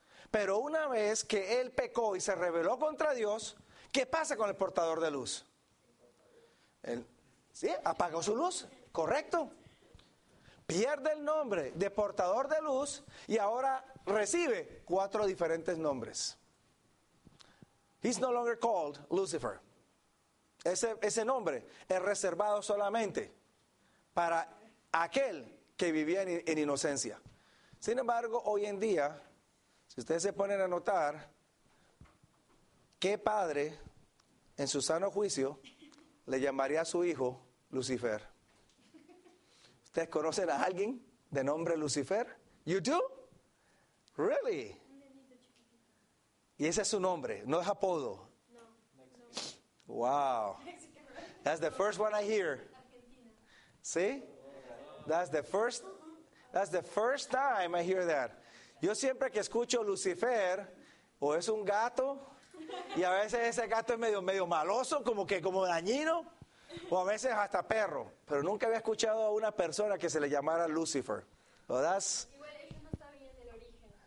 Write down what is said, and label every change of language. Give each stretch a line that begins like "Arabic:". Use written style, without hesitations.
Spanish: Pero una vez que él pecó y se rebeló contra Dios, ¿qué pasa con el portador de luz? Él, ¿sí? Apagó su luz, correcto. Pierde el nombre de portador de luz y ahora recibe cuatro diferentes nombres.
English: He's no longer called Lucifer.
Spanish: Ese nombre es reservado solamente para aquel que vivía en inocencia. Sin embargo, hoy en día, si ustedes se ponen a notar, ¿qué padre, en su sano juicio, le llamaría a su hijo Lucifer? ¿Ustedes conocen a alguien de nombre Lucifer?
English: ¿You do? Really?
Spanish: Y ese es su nombre, no es apodo. No.
English: Wow. That's the first one I hear. Argentina. See? That's the first time I hear that.
Spanish: Yo siempre que escucho Lucifer, o es un gato, y a veces ese gato es medio maloso, como dañino, o a veces hasta perro. Pero nunca había escuchado a una persona que se le llamara Lucifer.
English: Well, that's...
Spanish: Igual ellos no sabían del origen.